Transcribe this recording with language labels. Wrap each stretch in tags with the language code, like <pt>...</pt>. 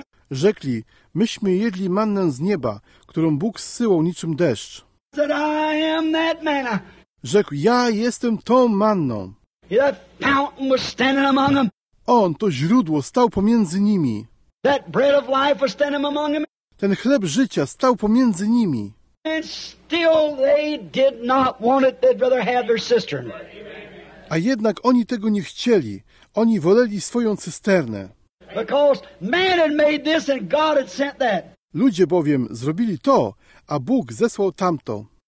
<pl>Rzekli, myśmy jedli mannę z nieba, którą Bóg zsyłał niczym deszcz.</pl> <en>That I am that manna.</en> <pl>Rzekł, ja jestem tą manną.</pl> <en>That fountain was standing among them.</en> <pl>On, to źródło, stał pomiędzy nimi.</pl> <en>That bread of life was standing among them.</en> <pl>Ten chleb życia stał pomiędzy nimi.</pl> <en>And still they did not want it. They'd rather have their cistern.</en> <pl>A jednak oni tego nie chcieli. Oni woleli swoją cysternę.</pl> <en>Because man had made this and God had sent that.</en> <pl>Ludzie bowiem zrobili to, a Bóg zesłał tamto.</pl>